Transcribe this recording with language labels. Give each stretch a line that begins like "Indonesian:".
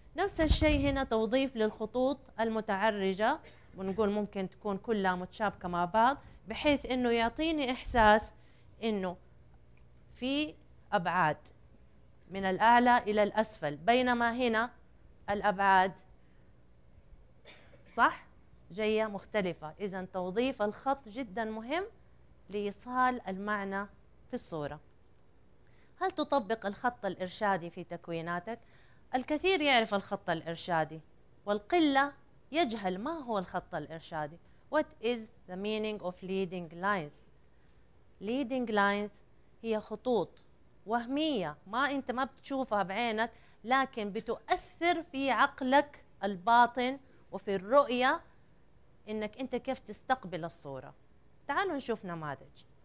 Arabic: نفس الشيء هنا، توظيف للخطوط المتعرجة، ونقول ممكن تكون كلها متشابكة مع بعض، بحيث إنه يعطيني إحساس إنه في أبعاد من الأعلى إلى الأسفل، بينما هنا الأبعاد صح؟ جاية مختلفة. إذن توظيف الخط جدا مهم لإيصال المعنى في الصورة. هل تطبق الخط الإرشادي في تكويناتك؟ الكثير يعرف الخط الإرشادي، والقلة يجهل ما هو الخط الإرشادي.
English: What is the meaning of leading lines?
Arabic: Leading lines هي خطوط وهمية، ما أنت ما بتشوفها بعينك، لكن بتؤثر في عقلك الباطن وفي الرؤية إنك أنت كيف تستقبل الصورة. تعالوا نشوف نماذج.